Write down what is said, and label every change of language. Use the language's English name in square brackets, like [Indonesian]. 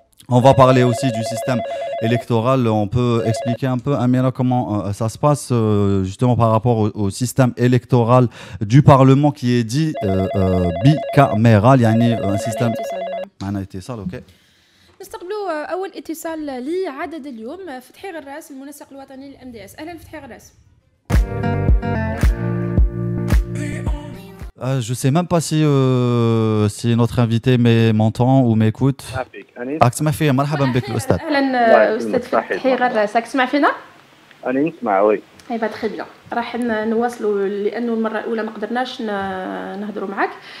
[French] On va parler aussi du système électoral. On peut expliquer un peu, Amira, comment ça se passe justement par rapport au système électoral du Parlement qui est dit bicaméral. Il y a un système. Un état, ok. [Arabic] نستقبلوا أول اتصال لي عدد اليوم فتحي غراس المنسق الوطني للام دي اس. أهلا فتحي غراس. [French] Je sais même pas si notre invité m'entend ou m'écoute. Anis. [Arabic] اسمع فيا مرحبا بك الأستاذ. أهلا أستاذ فتحي غراس. اسمع فينا؟ أنا نسمع وي. إيه بات خير بيان. راح نواصلوا لأنه المرة الأولى ما قدرناش نهضروا معك.